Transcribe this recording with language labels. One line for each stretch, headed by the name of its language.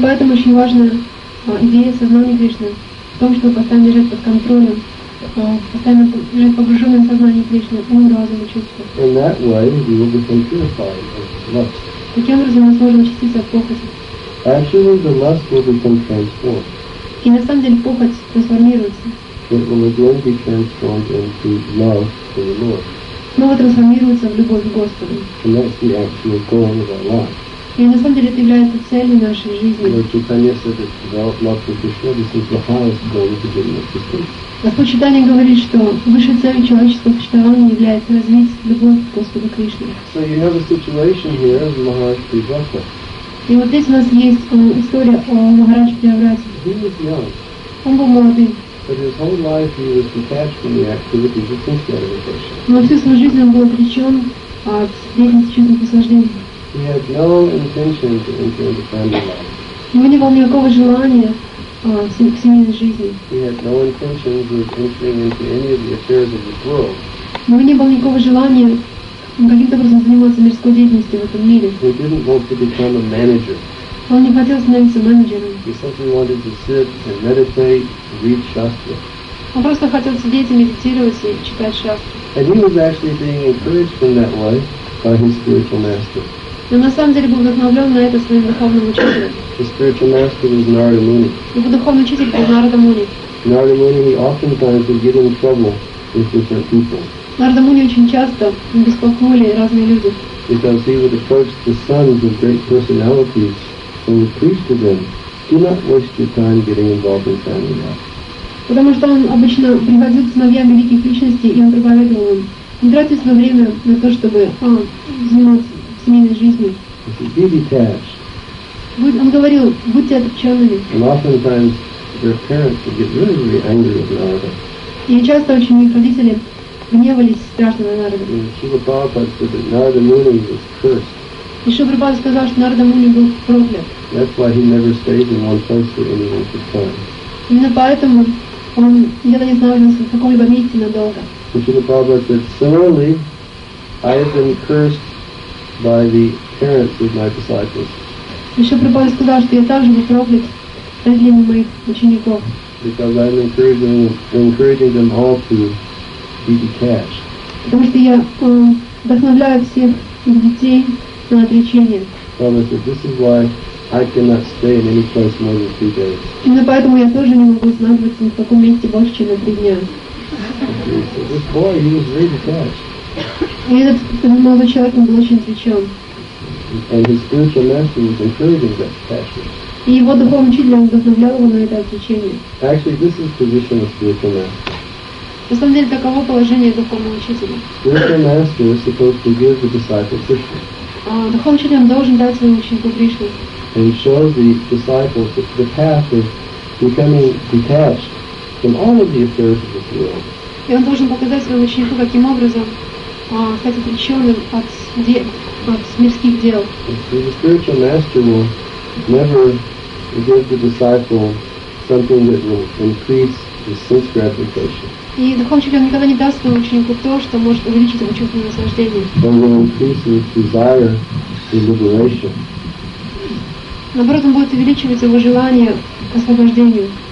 Russian: поэтому очень важна идея сознания Кришны в том, чтобы постоянно держать под контролем.
English: In that way, we will become purified of lust.
Russian: Таким образом, мы сможем очиститься от похоти.
English: Actually, the lust will become transformed.
Russian: И на самом деле похоть трансформируется.
English: It will again be transformed into love for the Lord.
Russian: Снова трансформируется в любовь к Господу.
English: And that's the actual goal of our life.
Russian: И на самом деле это является целью нашей жизни.
English: Lord Chaitanya said that develop love for Krishna, this is the highest goal of the beginning of existence.
Russian: Господь Читания говорит, что высшей целью человеческого существования является развить любовь к Господу Кришне.
English: So you have a situation here of Maharaj Priyavrata.
Russian: И вот здесь у нас есть история о Махарадже Приаврате.
English: He was young.
Russian: Он был молодым.
English: But his whole life he was detached from the activities of sense gratification.
Russian: Но всю свою жизнь он был отречен от деятельности чувственных наслаждений.
English: He had no intention to enter into family life.
Russian: У него не было никакого желания к семейной жизни.
English: He had no intention of entering into any of the affairs of this world.
Russian: У него не было никакого желания каким-то образом заниматься мирской деятельностью в этом мире.
English: He didn't want to become a manager.
Russian: Он не хотел становиться менеджером.
English: He simply wanted to sit and meditate, read shastra.
Russian: Он просто хотел сидеть и медитировать и читать шастры.
English: And he was actually being encouraged in that way by his spiritual master.
Russian: Но на самом деле был вдохновлен на это своим духовным учителем.
English: His spiritual master was Narada Muni.
Russian: Его духовный учитель был Нарада Муни.
English: Narada Muni oftentimes would get in trouble with different people.
Russian: Нарада Муни очень часто беспокоили разные люди.
English: Because he would approach the sons of great personalities and would preach to them, "Do not waste your time getting involved in family life."
Russian: Потому что он обычно приводил к сыновьям великих личностей, и он проповедовал им: не тратьте свое время на то, чтобы заниматься семейной жизнью.
English: Be detached.
Russian: Он говорил: будьте отчаянными.
English: And oftentimes their parents would get really, really angry with Narada.
Russian: И часто очень их родители гневались страшно на Нарада.
English: And Шрила Прабхупада said that Narada Muni was cursed.
Russian: И Шрила Прабхупада сказал, что Нарада Муни был проклят.
English: That's why he never stayed in one place for any length of time.
Russian: Именно поэтому он никогда не останавливался в каком-либо месте надолго. И
English: Шрила Прабхупада said, similarly, I have been cursed by the parents of my disciples.
Russian: И Шрила Прабхупада сказал, что я также был проклят родителями моих учеников.
English: Because I'm encouraging them all to be detached.
Russian: Потому что я вдохновляю всех детей на отречение.
English: Prabhupada said, this is why I cannot stay in any place more than 3 days.
Russian: Именно поэтому я тоже не могу останавливаться ни в каком месте больше, чем на 3 дня.
English: This boy, he was really detached.
Russian: И этот молодой человек, он был очень отвлечен.
English: And his spiritual master was encouraging that detachment.
Russian: И его духовный учитель, он вдохновлял его на это отвлечение.
English: Actually, this is the position of spiritual master.
Russian: На самом деле, таково положение духовного учителя.
English: Spiritual master is supposed to give the disciple Krishna.
Russian: Духовный учитель, он должен дать своему ученику Кришну.
English: And he shows the disciples the path of becoming detached from all of the affairs of this world.
Russian: И он должен показать своему ученику, каким образом стать отвлеченным от мирских дел.
English: So the spiritual master will never give the disciple something that will increase his sense gratification.
Russian: И духовный учитель никогда не даст своему ученику то, что может увеличить его чувство наслаждения.
English: But will increase his desire to liberation.
Russian: Наоборот, он будет увеличивать его желание к освобождению.